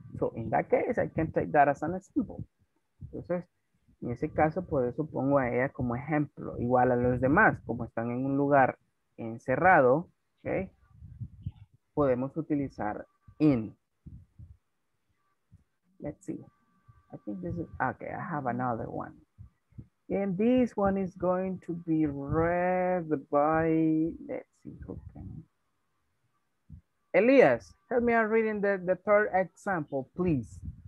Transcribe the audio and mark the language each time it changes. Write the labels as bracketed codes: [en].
[en] So in that case, I can take that as an example. [es] Entonces, en ese caso, por eso pongo a ella como ejemplo. Igual a los demás, como están en un lugar encerrado, okay, podemos utilizar in. [en] Let's see. I think this is, okay, I have another one. And this one is going to be read by, let's see who can. Elias, help me out reading the third example, please.